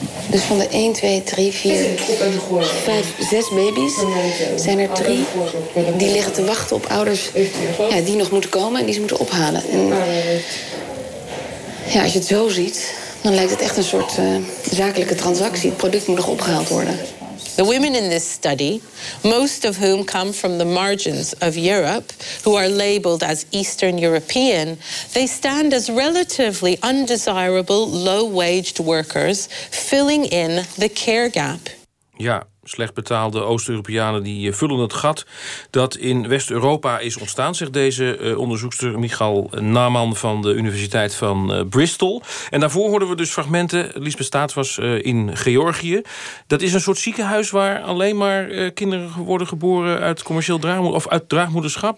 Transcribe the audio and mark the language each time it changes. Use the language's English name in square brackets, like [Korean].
[Dutch] Dus van de 1, 2, 3, 4, 5, 6 baby's zijn er 3 die liggen te wachten op ouders die nog moeten komen en die ze moeten ophalen. En, ja, als je het zo ziet, dan lijkt het echt een soort zakelijke transactie. Het product moet nog opgehaald worden. [English] The women in this study, most of whom come from the margins of Europe, who are labeled as Eastern European, they stand as relatively undesirable, low-waged workers, filling in the care gap. [Dutch] Ja, slecht betaalde Oost-Europeanen die vullen het gat dat in West-Europa is ontstaan, zegt deze onderzoekster Michal Naaman van de Universiteit van Bristol. En daarvoor hoorden we dus fragmenten. Lisbeth Staats was in Georgië. Dat is een soort ziekenhuis waar alleen maar kinderen worden geboren uit commercieel draagmoederschap?